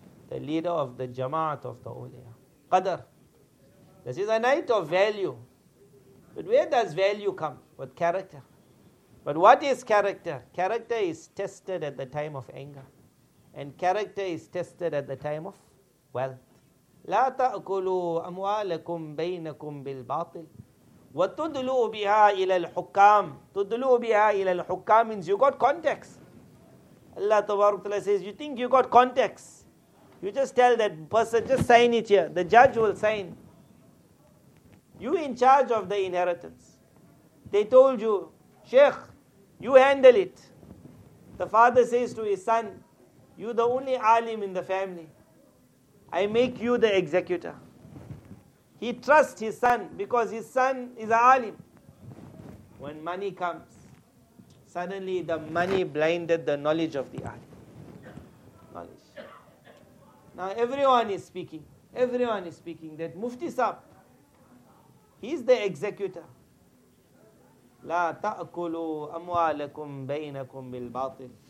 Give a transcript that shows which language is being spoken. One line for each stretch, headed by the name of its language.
English: The leader of the Jama'at of the Uliya. Qadr. This is a night of value. But where does value come? With character. But what is character? Character is tested at the time of anger. And character is tested at the time of wealth.
Arabic: لا تأكلوا أموالكم بينكم بالباطل وتدلوا بها إلى الحكام. تدلوا بها إلى الحكام
English: means you got context. Allah Ta'ala says, you think you got context. You just tell that person, just sign it here. The judge will sign. You in charge of the inheritance. They told you, Sheikh, you handle it. The father says to his son, you the only alim in the family. I make you the executor. He trusts his son because his son is an alim. When money comes, suddenly the money blinded the knowledge of the alim. Knowledge. Now everyone is speaking. Everyone is speaking that Mufti Saab, he's the executor.
Arabic: لا تأكلوا أموالكم بينكم بالباطل.